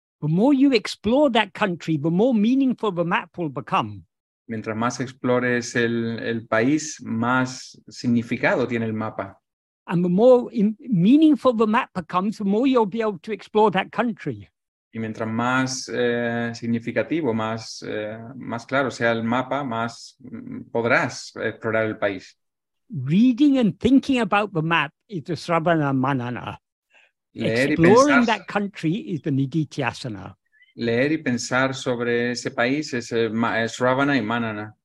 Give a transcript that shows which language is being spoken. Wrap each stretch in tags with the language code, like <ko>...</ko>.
<en>The more you explore that country, the more meaningful the map will become.</en> <es>Mientras más explores el país, más significado tiene el mapa.</es> <en>And the more meaningful the map becomes, the more you'll be able to explore that country.</en> <es>Y mientras más significativo, más claro sea el mapa, más podrás explorar el país.</es> <en>Reading and thinking about the map is the Sravana Manana. Exploring that country is the Nididhyasana.</en> <es>Leer y pensar sobre ese país es Sravana y Manana.</es>